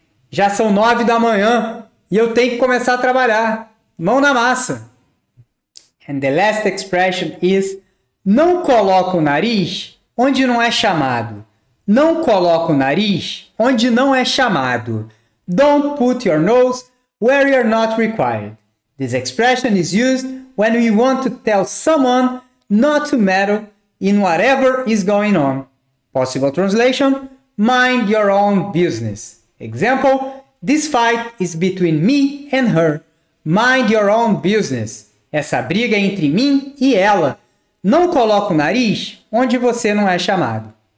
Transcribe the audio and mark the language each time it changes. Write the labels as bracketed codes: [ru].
[pt] Já são 9 da manhã e eu tenho que começar a trabalhar. Mão na massa. [en] And the last expression is: [pt] não coloca o nariz onde não é chamado. Não coloca o nariz onde não é chamado. [en] Don't put your nose where you're not required. This expression is used when we want to tell someone not to meddle in whatever is going on. Possible translation: mind your own business. Example: this fight is between me and her. Mind your own business. [pt] Essa briga é entre mim e ela. Não coloque o nariz onde você não é chamado.